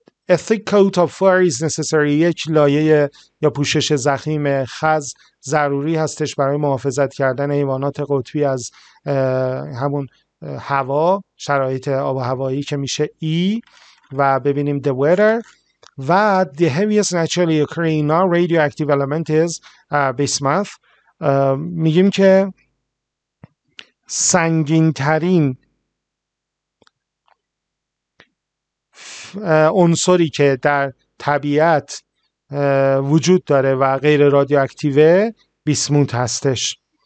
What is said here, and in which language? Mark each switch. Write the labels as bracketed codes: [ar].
[en] A thick coat of fur is necessary، [fa] یک لایه یا پوشش زخیم خز ضروری هستش برای محافظت کردن حیوانات قطبی از همون هوا، شرایط آب و هوایی که میشه ای. و ببینیم [en] the weather. that the heaviest naturally occurring non-radioactive element is bismuth. [fa] میگیم که سنگین ترین عنصری که در طبیعت وجود داره و غیر رادیواکتیوه بیسموت هستش.